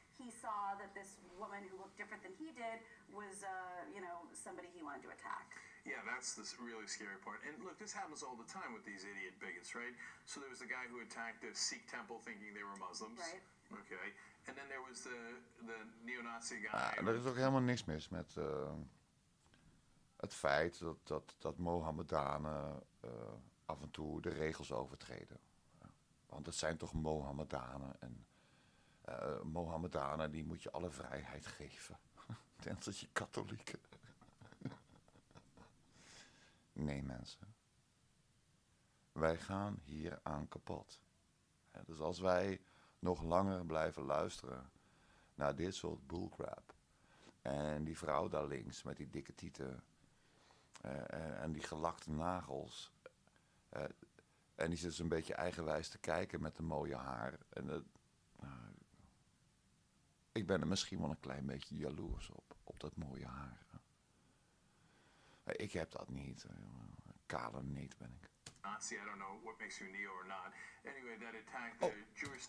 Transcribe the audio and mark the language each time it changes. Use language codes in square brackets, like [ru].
[en] He saw that this woman who looked different than he did was, you know, somebody he wanted to attack. Yeah, that's the really scary part. And look, this happens all the time with these idiot bigots, right? So there was the guy who attacked a Sikh temple thinking they were Muslims. Right. Okay. And then there was the neo-Nazi guy. [nl] Er is ook helemaal niks mis met het feit dat Mohammedanen af en toe de regels overtreden. Want het zijn toch Mohammedanen. En Mohammedanen, die moet je alle vrijheid geven. Tenzij je katholieken. Nee, mensen. Wij gaan hier aan kapot. Dus als wij nog langer blijven luisteren naar dit soort bullcrap. En die vrouw daar links met die dikke tieten. En die gelakte nagels. En die zit zo'n beetje eigenwijs te kijken met de mooie haar. En dat, ik ben er misschien wel een klein beetje jaloers op dat mooie haar. Ik heb dat niet. Kale neet ben ik. [en] Nazi, I don't know what makes you neo or not. Anyway, that attacked the Jewish...